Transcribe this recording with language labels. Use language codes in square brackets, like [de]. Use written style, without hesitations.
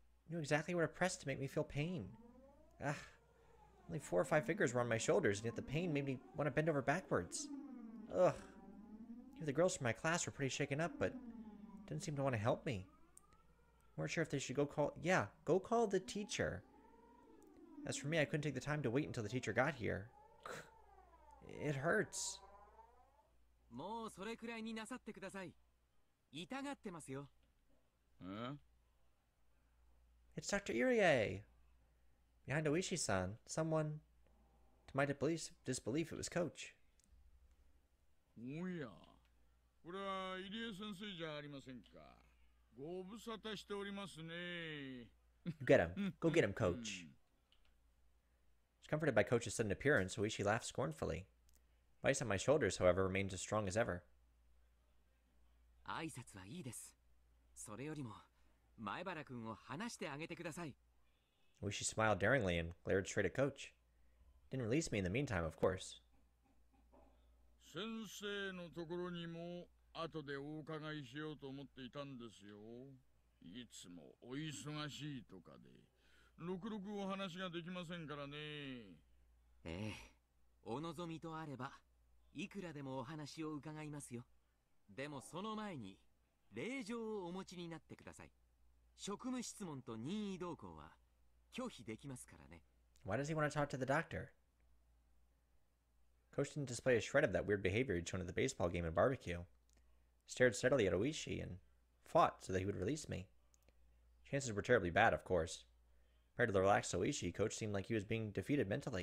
[en] Knew exactly where to press to make me feel pain. Ugh. Only 4 or 5 fingers were on my shoulders, and yet the pain made me want to bend over backwards. Ugh. Even the girls from my class were pretty shaken up, but didn't seem to want to help me. I weren't sure if they should go call- Yeah, go call the teacher. As for me, I couldn't take the time to wait until the teacher got here. It hurts. [ja] もうそれくらいになさってください。痛がってますよ。 [en] Huh? It's Dr. Irie! Behind Ooishi-san, someone... To my disbelief, it was Coach. Oh, yeah. This is Irie-sensei, isn't it? I'm busy with you. Get him. Go get him, Coach. Comforted by Coach's sudden appearance, Ooishi laughed scornfully. The ice on my shoulders, however, remained as strong as ever. [ja] 挨拶はいいです。それよりも…前原君を話してあげてください。 [en] Ooishi smiled daringly and glared straight at Coach. Didn't release me in the meantime, of course. [ja] 先生のところにも後でお伺いしようと思っていたんですよ。いつもお忙しいとかで、ろくろくお話ができませんからね。ええ、お望みとあれば、いくらでもお話を伺いますよ。でもその前に、礼状をお持ちになってください。職務質問と任意同行は拒否できますからね。 [en] Why does he want to talk to the doctor? Coach didn't display a shred of that weird behavior he'd shown at the baseball game and barbecue. Stared steadily at Ooishi and fought so that he would release me. Chances were terribly bad, of course. Compared to the relaxed Ooishi, Coach seemed like he was being defeated mentally.